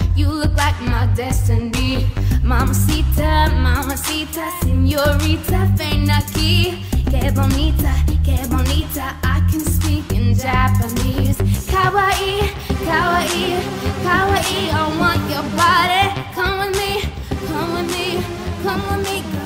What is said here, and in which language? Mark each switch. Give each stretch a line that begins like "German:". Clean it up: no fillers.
English: You look like my destiny.
Spanish: Mamacita, mamacita, señorita, ven aquí. Qué bonita, qué bonita.
English: I can speak in Japanese.
Japanese: Kawaii, kawaii, kawaii.
English: I want your body. Come with me, come with me, come with me.